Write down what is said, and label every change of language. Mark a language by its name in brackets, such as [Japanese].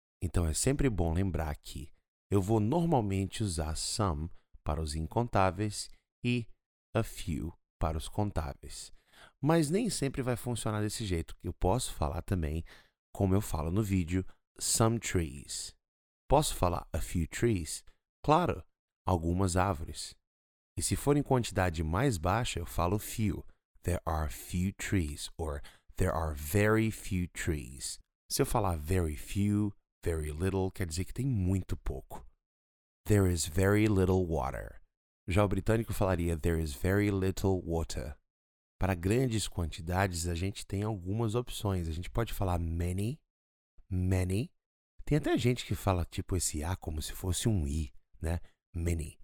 [Portuguese] Então, é sempre bom lembrar que eu vou normalmente usar some para os incontáveis e a few para os contáveis. Mas nem sempre vai funcionar desse jeito. Eu posso falar também, como eu falo no vídeo, [English] some trees. [Portuguese] Posso falar [English] a few trees? [Portuguese] Claro, algumas árvores. E se for em quantidade mais baixa, eu falo few. [English] There are few trees, or there are very few trees. [Portuguese] Se eu falar [English] very few, very little, [Portuguese] quer dizer que tem muito pouco. [English] There is very little water. [Portuguese] Já o britânico falaria [English] there is very little water. [Portuguese] Para grandes quantidades, a gente tem algumas opções. A gente pode falar many, many. Tem até gente que fala tipo esse A como se fosse um I, né? Many.